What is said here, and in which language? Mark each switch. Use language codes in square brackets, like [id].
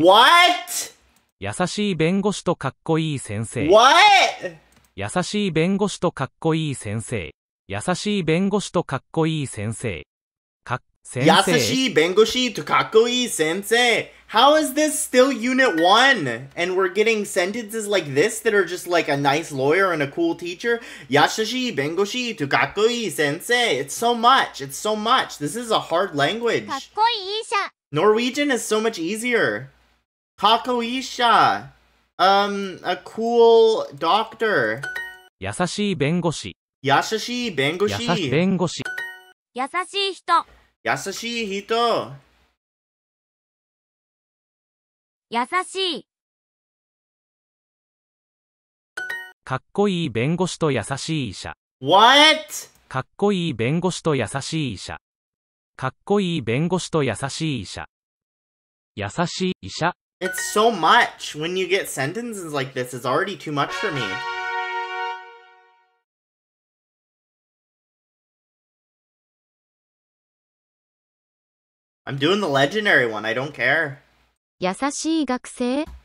[en] What? [ja] 優しい弁護士とかっこいい先生。 [en] What? [ja] 優しい弁護士とかっこいい先生。優しい弁護士とかっこいい先生。か、先生。優しい弁護士とかっこいい先生。 [en] How is this still unit one? And we're getting sentences like this that are just like a nice lawyer and a cool teacher? [ja] 優しい弁護士とかっこいい先生. [en] It's so much. It's so much. This is a hard language. [ja] かっこいい医者. [en] Norwegian is so much easier. [ja] かっこいい医者. [en] A cool doctor. [ja] 優しい弁護士. 優しい弁護士. 弁護士. 優しい人. 優しい人. 優しい。かっこいい弁護士と優しい医者。 What? かっこいい弁護士と優しい医者。かっこいい弁護士と優しい医者。優しい医者。 [en] It's so much. When you get sentences like this, it's already too much for me. I'm doing the legendary one. I don't care. [ja] 優しい学生。